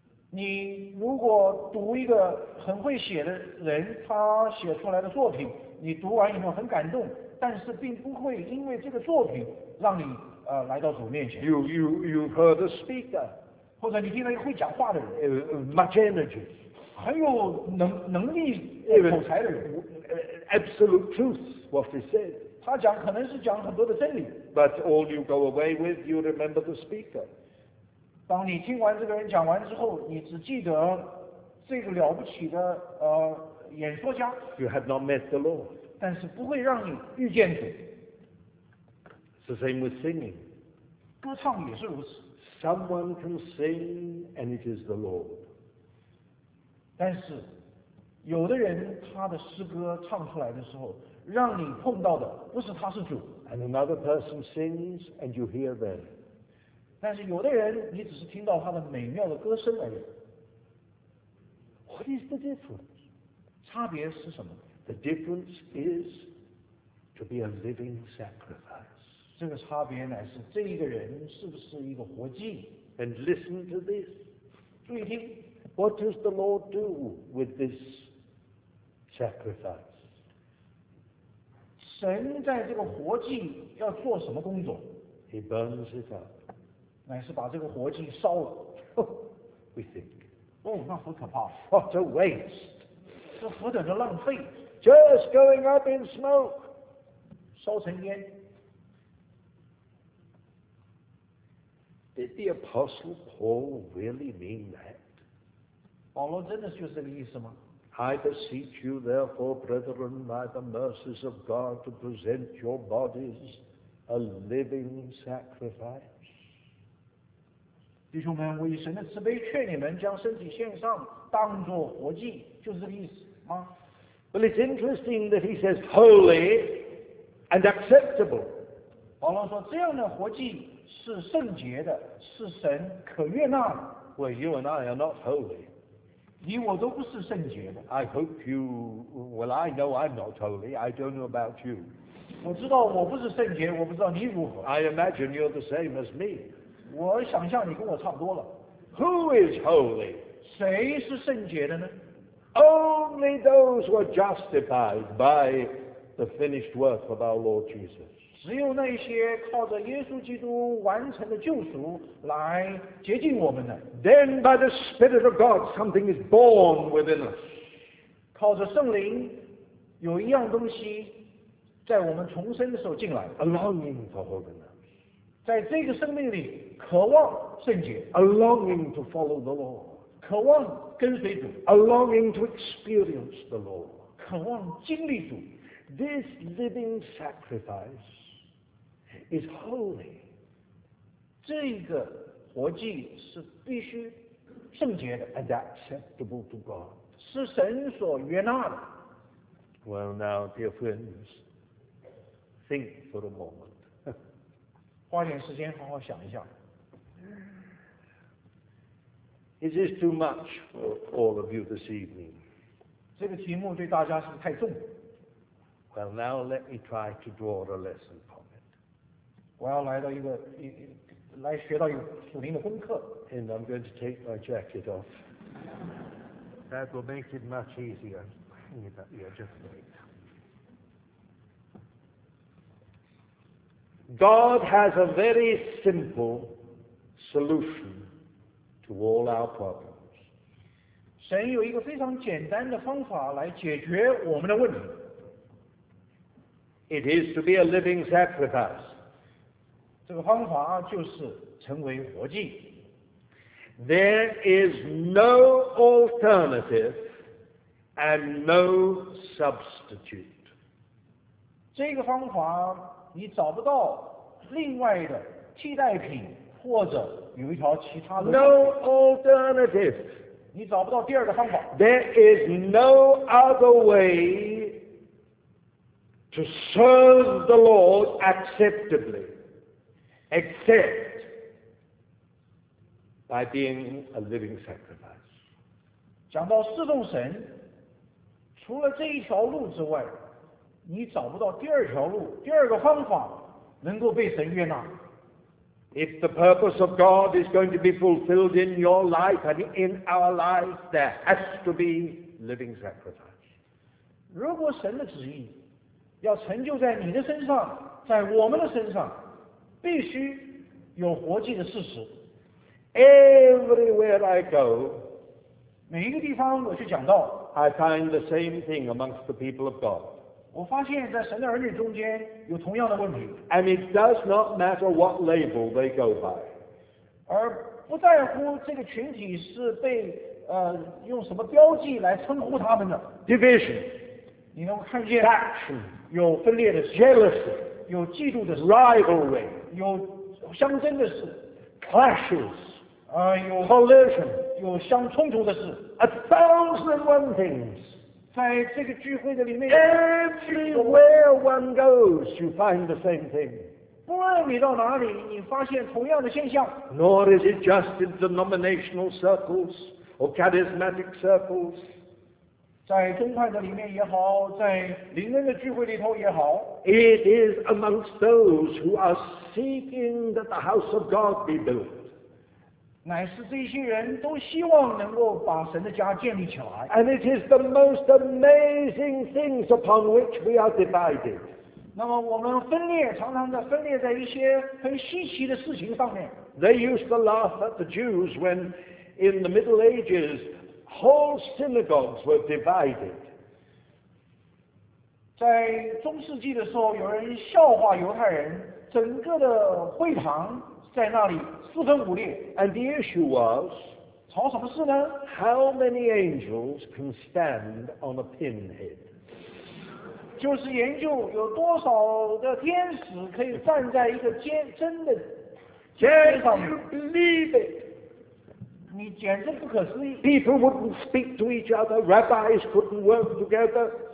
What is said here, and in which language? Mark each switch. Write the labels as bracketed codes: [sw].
[zh] 你如果读一个很会写的人，他写出来的作品，你读完以后很感动，但是并不会因为这个作品让你来到主面前。 [en] You heard a speaker, [zh] 或者你听到一个会讲话的人 [en] ，much energy, [zh] 很有能力口才的人 [en] ，absolute truth what he said, [zh] 他讲可能是讲很多的真理。 [en] But all you go away with, you remember the speaker. [zh] 当你听完这个人讲完之后，你只记得这个了不起的演说家。 [en] You have not met the Lord. [zh] 但是不会让你遇见主。 [en] It's the same with singing. [zh] 歌唱也是如此。 [en] Someone can sing and it is the Lord. [zh] 但是有的人他的诗歌唱出来的时候让你碰到的不是他是主。 [en] And another person sings and you hear them. [zh] 但是有的人你只是听到他的美妙的歌声而已。 [en] What is the difference? [zh] 差别是什么？ [en] The difference is to be a living sacrifice. [zh] 这个差别乃是这一个人是不是一个活祭。 [en] And listen to this. [zh] 注意听。 [en] What does the Lord do with this sacrifice? [zh] 神在这个活祭要做什么工作？ [en] He burns it up. [zh] 乃是把这个活祭烧了。 [en] We think. [zh] 哦，那很可怕。 [en] What a waste. [zh] 这何等的浪费。 [en] Just going up in smoke, [zh] 烧成烟。 [en] Did the Apostle Paul really mean that? [zh] 保罗真的就是这个意思吗？ [en] I beseech you, therefore, brethren, by the mercies of God, to present your bodies a living sacrifice. [zh] 弟兄们，我以神的慈悲劝你们，将身体献上，当作活祭，就是这个意思吗？ [en] Well, it's interesting that he says holy and acceptable. [zh] 保罗说这样的活祭是圣洁的，是神可悦纳的。 [en] Well, you and I are not holy. [zh] 你我都不是圣洁的。 [en] I hope you, well, I know I'm not holy. I don't know about you. [zh] 我知道我不是圣洁，我不知道你如何。 [en] I imagine you're the same as me. [zh] 我想象你跟我差不多了。 [en] Who is holy? [zh] 谁是圣洁的呢？ [en] Only those who are justified by the finished work of our Lord Jesus. [zh] 只有那些靠着耶稣基督完成的救赎来洁净我们的。 [en] Then by the Spirit of God, something is born within us. [zh] 靠着圣灵，有一样东西在我们重生的时候进来。 [en] A longing for holiness. [zh] 在这个生命里，渴望圣洁。 [en] A longing to follow the Lord. [zh] 渴望跟随主 [en] ，a longing to experience the Lord， [zh] 渴望经历主。 [en] This living sacrifice is holy， [zh] 这个活祭是必须圣洁的 [en] ，and acceptable to God， [zh] 是神所悦纳的。 [en] Well now, dear friends, think for a moment， [zh] 花点时间好好想一下。 [en] Is this too much for all of you this evening? [zh] 这个题目对大家是不是太重？ [en] Well, now let me try to draw a lesson from it. [zh] 我要来到一个来学到一个属灵的功课。 [en] And I'm going to take my jacket off. That will make it much easier. Hang it up here, just wait. God has a very simple solution. To all our problems. [zh] 神有一个非常简单的方法来解决我们的问题。 [en] It is to be a living sacrifice. [zh] 这个方法就是成为活祭。 [en] There is no alternative and no substitute. [zh] 这个方法你找不到另外的替代品，或者有一条其他的。 [en] No alternative. [zh] 你找不到第二个方法。 [en] There is no other way to serve the Lord acceptably, except by being a living sacrifice. [zh] 讲到侍奉神，除了这一条路之外，你找不到第二条路，第二个方法能够被神悦纳。 [en] If the purpose of God is going to be fulfilled in your life and in our life, there has to be living sacrifice. [zh] 如果神的旨意要成就在你的身上，在我们的身上，必须有活祭的事实。 [en] Everywhere I go, [zh] 每一个地方我去讲道， [en] I find the same thing amongst the people of God. [zh] 我发现在神的儿女中间有同样的问题。 [en] And it does not matter what label they go by. [zh] 而不在乎这个群体是被用什么标记来称呼他们的。 [en] Division. [zh] 你能看见。 [en] Faction. [zh] 有分裂的事。 [en] Jealousy. [zh] 有嫉妒的事。 [en] Rivalry. [zh] 有相争的事。 [en] Clashes. [zh] 有。 [en] Collision. [zh] 有相冲突的事。 [en] A thousand one things. [zh] 在这个聚会的里面， [en] Everywhere one goes, you find the same thing. [zh] 不论你到哪里，你发现同样的现象。 [en] Nor is it just in denominational circles or charismatic circles. [zh] 在宗派的里面也好，在灵恩的聚会里头也好。 [en] It is amongst those who are seeking that the house of God be built. [zh] 乃是这些人都希望能够把神的家建立起来。 [en] And it is the most amazing things upon which we are divided. [zh] 那么我们分裂，常常在分裂在一些很稀奇的事情上面。 [en] They used to laugh at the Jews when, in the Middle Ages, whole synagogues were divided. [zh] 在中世纪的时候，有人笑话犹太人，整个的会堂。在那里四分五裂。 [en] And the issue was, [zh] 吵什么事呢？ [en] How many angels can stand on a pinhead? [zh] 就是研究有多少的天使可以站在一个尖针的尖上。 [en] Can you believe it? [zh] 你简直不可思议。 [en] People wouldn't speak to each other, rabbis couldn't work together.